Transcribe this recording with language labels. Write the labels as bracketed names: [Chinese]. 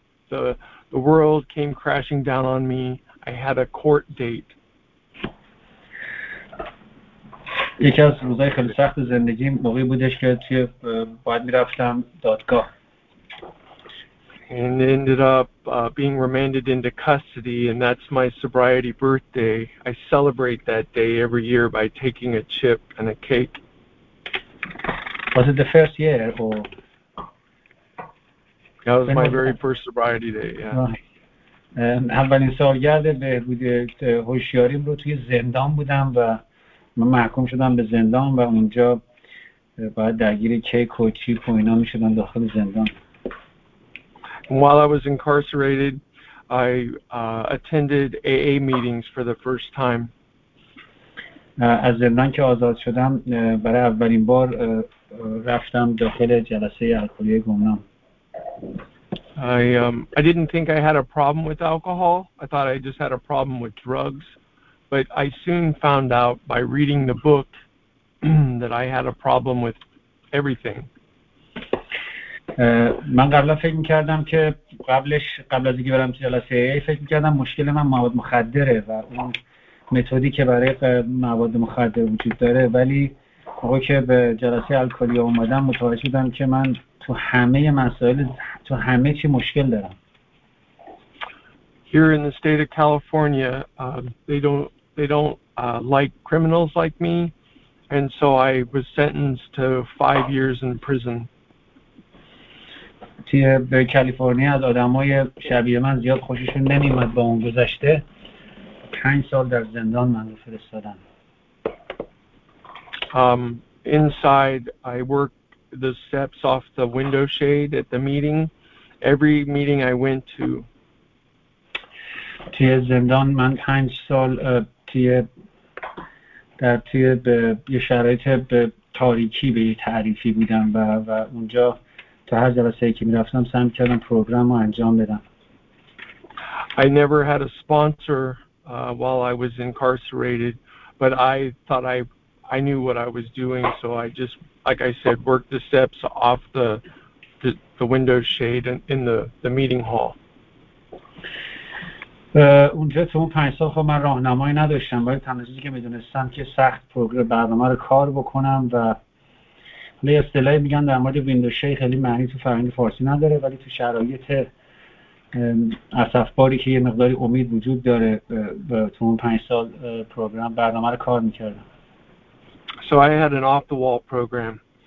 [English] The world came crashing down on me. I had a court date. [Persian] یکی از روزهای خیلی سخت زندگی موقعی بودش که توی باید میرفتم دادگاه. [English] And ended up being remanded into custody, and that's my sobriety birthday. I celebrate that day every year by taking a chip and a cake. Was it the first year or? That was my very first sobriety day. Yeah. [Persian] اولین سالگرده بود هوشیاریم رو توی زندان بودم و من محکوم شدم به زندان و اونجا باید درگیر کیک و چیپ و اینا می شدم داخل زندان. [English] And while I was incarcerated, I attended AA meetings for the first time. [Persian] از زندان که آزاد شدم برای اولین بار رفتم داخل جلسه الکلی گمنام. [English] I didn't think I had a problem with alcohol. I thought I just had a problem with drugs. But I soon found out by reading the book that I had a problem with everything. [Persian] من قبلا فکر می‌کردم که قبلش قبل از اینکه برم جلسه ای فکر می‌کردم مشکل من مواد مخدره و اون متدی که برای مواد مخدر وجود داره، ولی موقعی که به جلسه الکلی اومدم متوجه شدم که من تو همه مسائل تو همه چی مشکل دارم. [English] Here in the state of California, they don't like criminals like me, and so I was sentenced to 5 years in prison. [Persian] توی به کالیفرنیا از آدمای شبیه من زیاد خوششون نمیاد با اون گذشته. 5 سال در زندان منو فرستادن. [English] Inside, I work the steps off the window shade at the meeting. Every meeting I went to. [Persian] توی زندان من 5 سال توی به یه شرایط به تاریکی به یه تعریفی بودم و اونجا تا هر جلسه ای که می رفتم سعی می کردم پروگرام رو انجام بدم. [English] I never had a sponsor while I was incarcerated, but I thought I knew what I was doing, so I just, like I said, worked the steps off the window shade in the meeting hall. [Persian] اونجا تو اون 5 سال خب من راهنمایی نداشتم، ولی تنها چیزی که میدونستم که سخت برنامه رو کار بکنم و حالا یه اصطلاحی میگن در مورد ویندو شی، خیلی معنی تو فرهنگ فارسی نداره، ولی تو شرایط اسفباری که یه مقداری امید وجود داره تو اون 5 سال پروگرام برنامه رو کار میکردم. [English] So I had an off the wall program.